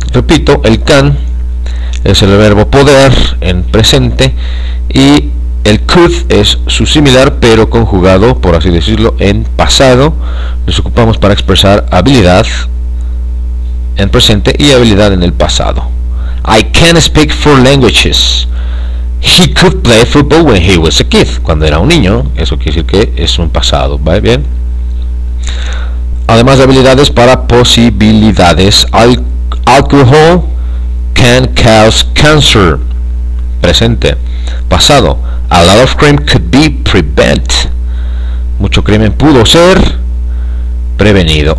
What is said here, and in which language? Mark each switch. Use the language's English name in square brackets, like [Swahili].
[Spanish] Repito, el can es el verbo poder en presente y el could es su similar pero conjugado, por así decirlo, en pasado. Nos ocupamos para expresar habilidad en presente y habilidad en el pasado. [English] I can speak 4 languages. He could play football when he was a kid. [Spanish] Cuando era un niño, eso quiere decir que es un pasado, ¿vale? Bien. Además de habilidades para posibilidades, [English] alcohol can cause cancer. [Spanish] Presente. Pasado. [English] A lot of crime could be prevented. [Spanish] Mucho crimen pudo ser prevenido.